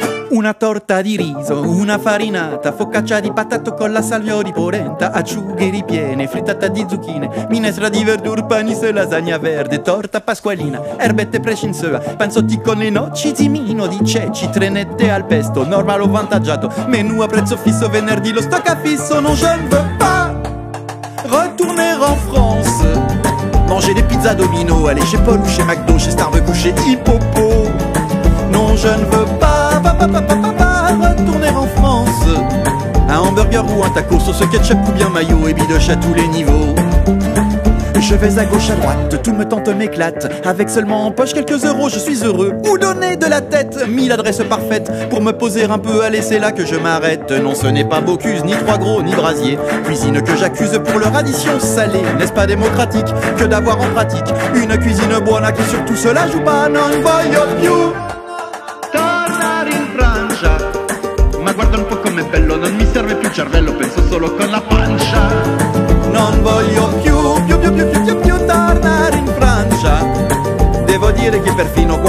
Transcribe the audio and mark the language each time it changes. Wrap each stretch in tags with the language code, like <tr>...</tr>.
<it>una torta di riso, una farinata, focaccia di patatto con la salvia o di polenta, acciughe ripiene, frittata di zucchine, minestra di verdure, panis e lasagna verde, torta pasqualina, erbette prescinzola, panzotti con le noci, zimino di ceci, trenette al pesto, normal o vantaggiato, menù a prezzo fisso, venerdì lo stock a fisso.</it> <fr>Non je ne veux pas retourner en France, manger des pizzas Domino, aller chez Paul ou chez McDo, chez Starbucks ou chez Hippopo. Non, je ne veux pas retourner en France, un hamburger ou un taco, sauce ketchup ou bien mayo, et bidoche à tous les niveaux. Je vais à gauche, à droite, tout me tente, m'éclate, avec seulement en poche quelques euros, je suis heureux. Où donner de la tête, mille adresses parfaites pour me poser un peu, allez, c'est là que je m'arrête. Non, ce n'est pas Bocuse, ni Trois Gros, ni Brasier, cuisine que j'accuse pour leur addition salée. N'est-ce pas démocratique que d'avoir en pratique une cuisine buona qui sur tout cela joue pas. Non, boy of you,</fr> <it>tornare in Francia, ma guarda un po' com'è bello, non mi serve più cervello, penso solo con la pancia. Non voglio più tornare in Francia, devo dire che perfino</it>